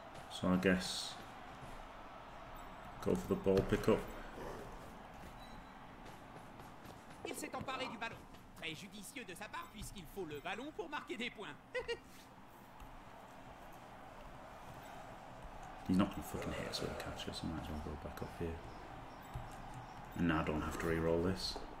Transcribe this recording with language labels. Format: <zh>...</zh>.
<en>So I guess go for the ball pickup.</en> <fr>Il s'est emparé du ballon. Très judicieux de sa part puisqu'il faut le ballon pour marquer des points.</fr> <en>He's not gonna fucking hit us with a catch, so I might as well go back up here. And now I don't have to reroll this.</en>